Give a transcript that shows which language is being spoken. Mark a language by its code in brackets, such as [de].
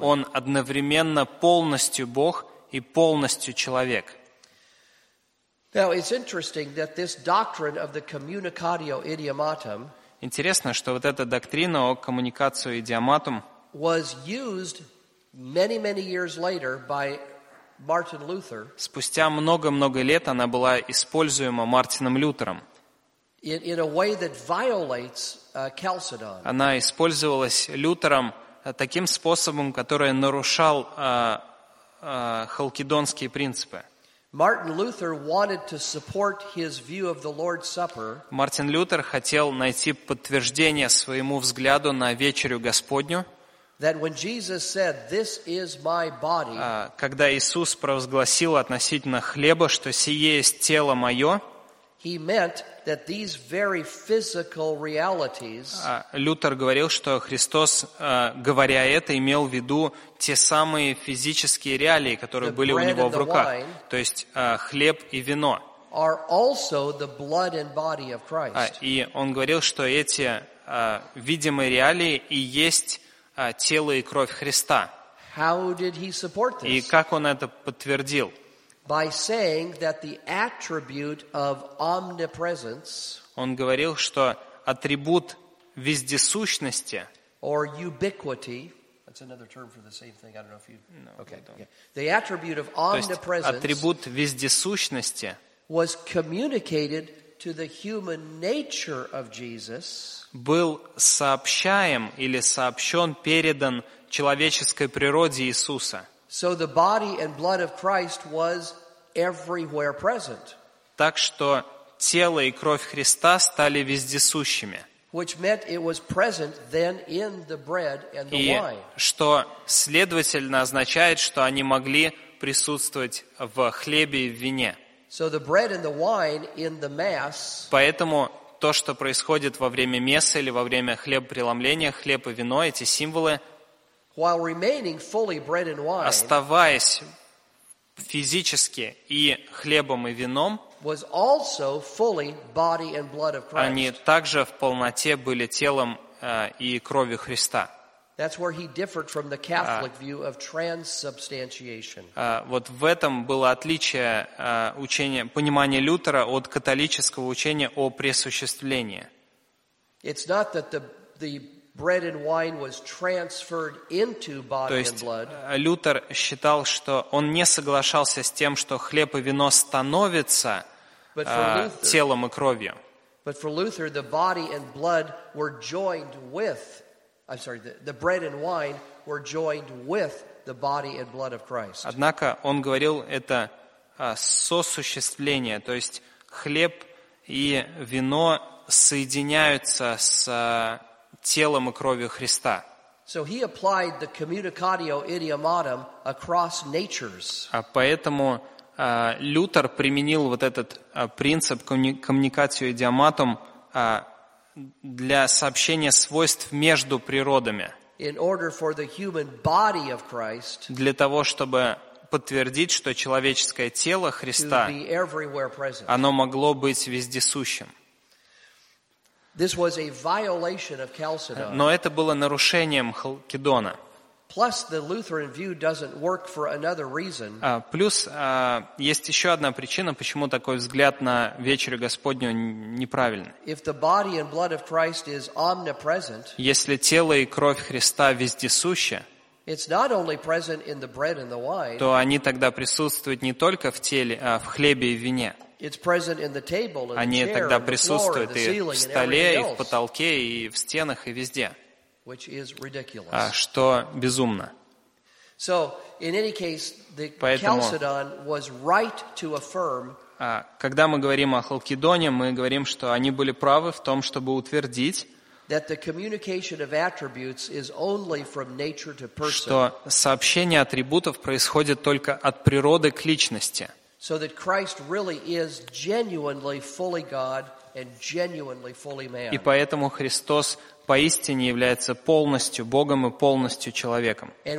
[ru] Он одновременно полностью Бог и полностью человек. [en] Now it's interesting that this doctrine of the communicatio idiomatum, [ru] интересно, что вот эта доктрина о коммуникацию идиоматум, [en] was used many, many years later by Martin Luther. [ru] Спустя много-много лет она была используема Мартином Лютером. [en] In a way that violates Chalcedon. [ru] Она использовалась Лютером таким способом, который нарушал халкидонские принципы. [en] Martin Luther wanted to support his view of the Lord's Supper. [ru] Мартин Лютер хотел найти подтверждение своему взгляду на вечерю Господню. [en] That when Jesus said, "This is my body," [ru] когда Иисус провозгласил относительно хлеба, что сие есть тело мое, [en] he meant that these very physical realities, [ru] Лютер говорил, что Христос, говоря это, имел в виду те самые физические реалии, которые были у него в руках, то есть хлеб и вино. [en] Are also the blood and body of Christ. [ru] И он говорил, что эти видимые реалии и есть тело и кровь Христа. [en] How did he support this? [ru] И как он это подтвердил? [en] By saying that the attribute of omnipresence, [ru] он говорил, что атрибут вездесущности, [en] or ubiquity, that's another term for the same thing. I don't know if you. No, okay, don't. Yeah. The attribute of omnipresence, [ru] то есть атрибут вездесущности, [en] was communicated to the human nature of Jesus, [ru] был сообщаем или сообщен, передан человеческой природе Иисуса. [en] So the body and blood of Christ was everywhere present. [ru] Так что тело и кровь Христа стали вездесущими. [en] Which meant it was present then in the bread and the wine. [ru] И что следовательно означает, что они могли присутствовать в хлебе и в вине. [en] So the bread and the wine in the mass. [ru] Поэтому то, что происходит во время мессы или во время хлебопреломления, хлеб и вино, эти символы, [en] while remaining fully bread and wine, [ru] оставаясь физически и хлебом и вином, [en] was also fully body and blood of Christ. [ru] Они также в полноте были телом и кровью Христа. [en] That's where he differed from the Catholic view of transubstantiation. [ru] Вот в этом было отличие учения, понимания Лютера от католического учения о преосуществлении. [en] It's not that the bread and wine was transferred into body and blood. [ru] Лютер считал, что он не соглашался с тем, что хлеб и вино становятся телом и кровью. [en] But for Luther, the body and blood were joined with. I'm sorry, the bread and wine were joined with the body and blood of Christ. [ru] Однако он говорил, это сосуществление, то есть хлеб и вино соединяются с телом и кровью Христа. [en] So he applied the communicatio idiomatum across natures. [ru] А поэтому Лютер применил вот этот принцип communicatio idiomatum для сообщения свойств между природами. [en] In order for the human body of Christ, [ru] для того, чтобы подтвердить, что человеческое тело Христа, [en] to be everywhere present. [ru] Оно могло быть вездесущим. [en] This was a violation of Chalcedon. [ru] Но это было нарушением Халкидона. [en] Plus, the Lutheran view doesn't work for another reason. [ru] Плюс есть еще одна причина, почему такой взгляд на вечерю Господню неправильный. [en] If the body and blood of Christ is omnipresent, [ru] если тело и кровь Христа вездесущи, [en] it's not only present in the bread and the wine, [ru] то они тогда присутствуют не только в теле, а в хлебе и вине. [en] It's present in the table, in the chair, in the floor, the ceiling, [ru] в столе, и в потолке, и в стенах, и везде. [en] Which is ridiculous. [ru] Что безумно. [en] So, in any case, the Chalcedon was right to affirm. [ru] Когда мы говорим о Халкидоне, мы говорим, что они были правы в том, чтобы утвердить, [en] that the communication of attributes is only from nature to person. [ru] Что сообщение атрибутов происходит только от природы к личности. [en] So that Christ really is genuinely fully God and genuinely fully man. [ru] И поэтому Христос поистине является полностью Богом и полностью человеком.